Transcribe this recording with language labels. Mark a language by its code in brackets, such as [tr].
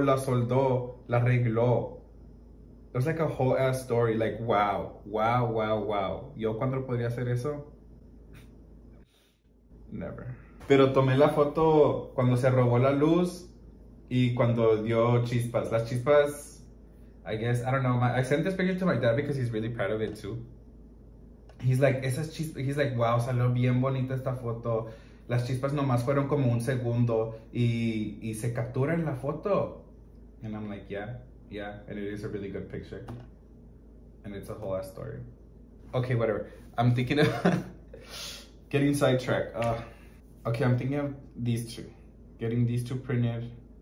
[es] La soldó. La arregló. [en] It was like a whole ass story. Like, wow. [es] Wow, wow, wow. ¿Yo cuándo podría hacer eso? [en] Never. [es] Pero tomé la foto cuando se robó la luz. Y cuando dio chispas. Las chispas... [en] I guess, I don't know, I sent this picture to my dad because he's really proud of it too. He's like, [es] esas chispas, [en] he's like, wow, [es] salió bien bonita esta foto. Las chispas nomás fueron como un segundo y se captura en la foto. [en] And I'm like, yeah, yeah, and it is a really good picture. And it's a whole ass story. Okay, whatever. I'm thinking of getting sidetracked. Okay, I'm thinking of these two. Getting these two printed.